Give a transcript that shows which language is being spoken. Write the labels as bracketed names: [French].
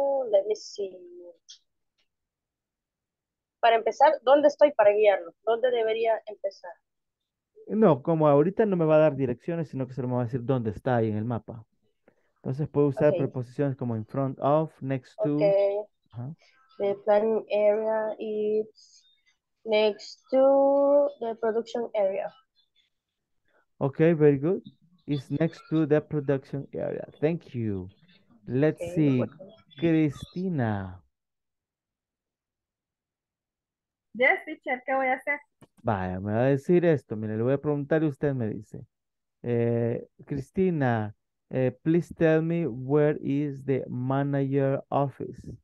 [English] Let me see. [Spanish] Para empezar, ¿dónde estoy para guiarlo? ¿Dónde debería empezar? No, como ahorita no me va a dar direcciones, sino que solo me va a decir dónde está ahí en el mapa. Entonces puedo usar preposiciones como [English] in front of, next to. [Spanish] Okay. [English] The planning area is next to the production area. Okay, very good. Is next to the production area. Thank you. Let's see. Cristina. Yes, teacher, [Spanish] ¿qué voy a hacer? Vaya, me va a decir esto. Mire, le voy a preguntar y usted me dice. [English] Cristina, please tell me where is the manager office.